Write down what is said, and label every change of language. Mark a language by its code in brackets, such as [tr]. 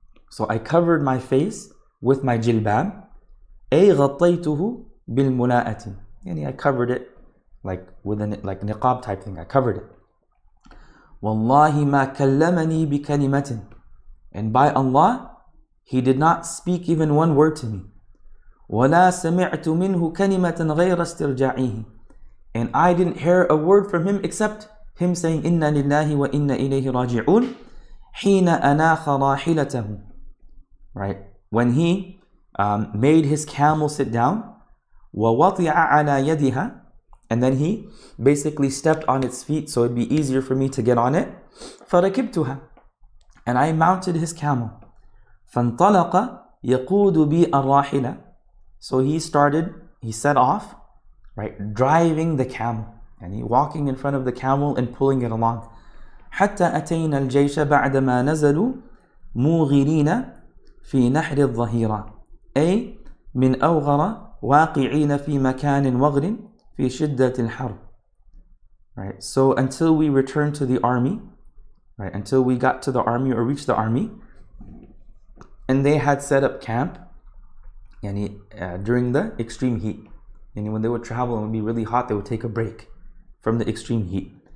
[en] So I covered my face with my jilbab. [ar] أي غطيته بالملاءة. يعني [en] I covered it like with a like niqab type thing. I covered it. [ar] والله ما كلمني بكلمة. [en] And by Allah, he did not speak even one word to me. [ar] ولا سمعت منه كلمة غير استرجاعه. [en] And I didn't hear a word from him except him saying [ar] إنا لله وإنا إليه راجعون حين أناخ راحلته. [en] Right, when he made his camel sit down, [ar] وَوَطِعَ عَلَى يَدِهَا, [en] and then he basically stepped on its feet so it'd be easier for me to get on it. [ar] فَرَكِبْتُهَا, [en] and I mounted his camel. [ar] فَانْطَلَقَ يَقُودُ بِي الرَّاحِلَ. [en] So he set off, right, driving the camel, and he walking in front of the camel and pulling it along. [ar] حَتَّى أَتَيْنَا الْجَيْشَ بَعْدَمَا نَزَلُوا مُغِرِينَ فِي نَحْرِ الظَّهِيرَةِ أي من أوغر واقعين في مكان وغر في شدة الحرب. [en] Right. So until we returned to the army, right, until we got to the army or reached the army, and they had set up camp, yani during the extreme heat. Yani when they would travel and would be really hot, they would take a break from the extreme heat.